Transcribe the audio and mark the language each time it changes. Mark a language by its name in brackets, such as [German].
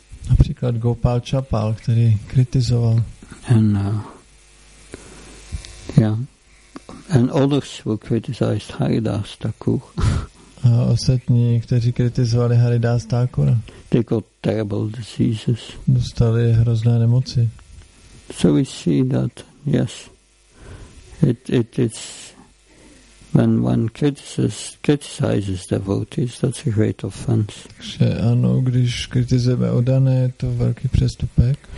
[Czech] Například Gopal Chapal, který kritizoval. [English] And and others who criticized Haridas Thakur. [Czech] A ostatní, kteří kritizovali Haridas Thakura. [English] They got terrible diseases. [Czech] Dostali hrozné nemoci. [English] So we see that, yes. It is when one criticizes devotees, that's a great offense. [Czech] Takže ano, když kritizujeme odané, je to velký přestupek.